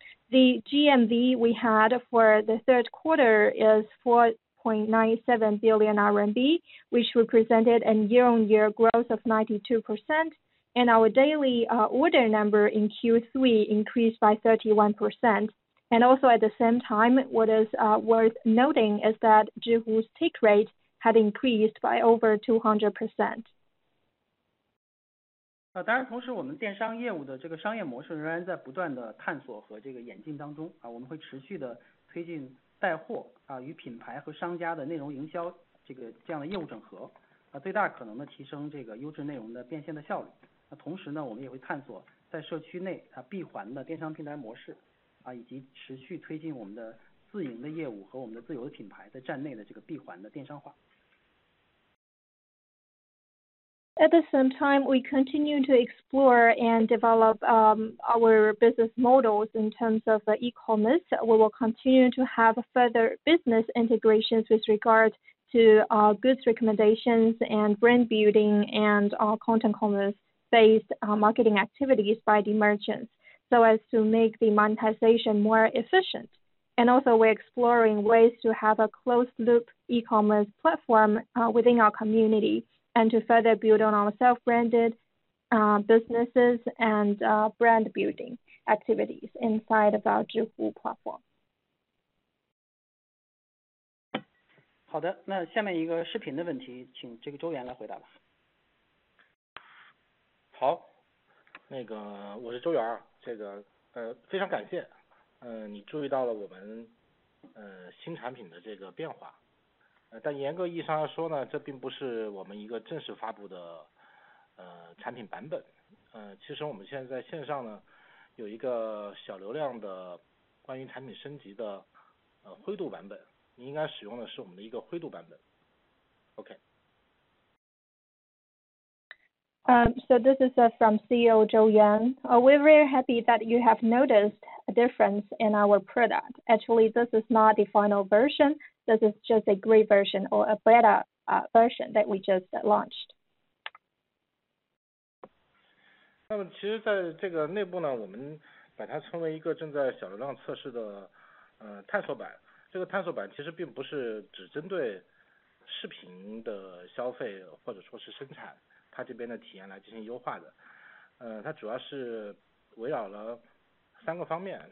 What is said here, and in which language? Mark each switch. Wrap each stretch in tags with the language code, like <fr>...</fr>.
<en>The GMV we had for the third quarter is 4.97 billion RMB, which represented a year-on-year growth of 92%, and our daily order number in Q3 increased by 31%. And also at the same time, what is worth noting is that Zhihu's take rate had increased by over 200%.</en> <zh>当然，同时我们电商业务的这个商业模式仍然在不断的探索和这个演进当中啊，我们会持续的推进带货啊与品牌和商家的内容营销这样的业务整合啊，最大可能的提升这个优质内容的变现的效率。那同时呢，我们也会探索在社区内啊闭环的电商平台模式啊，以及持续推进我们的自营的业务和我们的自有的品牌在站内的这个闭环的电商化。</zh> <en>At the same time, we continue to explore and develop our business models in terms of e-commerce. We will continue to have further business integrations with regard to goods recommendations and brand building and content commerce-based marketing activities by the merchants so as to make the monetization more efficient. And also we're exploring ways to have a closed-loop e-commerce platform within our community. And to further build on our self-branded businesses and brand building activities inside of our Zhihu platform.</en> <zh>好的，那下面一个视频的问题，请这个周元来回答吧。好，那个我是周元，这个非常感谢，你注意到了我们新产品的这个变化。但严格意义上来说呢，这并不是我们一个正式发布的产品版本。其实我们现在在线上呢有一个小流量的关于产品升级的灰度版本，你应该使用的是我们的一个灰度版本。</zh> <en>OK。 So this is from CEO Zhou Yuan. We're very happy that you have noticed a difference in our product. Actually, this is not the final version. This is just a great version or a better version that we just launched.</en> <zh>那么其实在这个内部呢，我们把它称为一个正在小流量测试的探索版。这个探索版其实并不是只针对视频的消费或者说是生产它这边的体验来进行优化的，它主要是围绕了三个方面。</zh>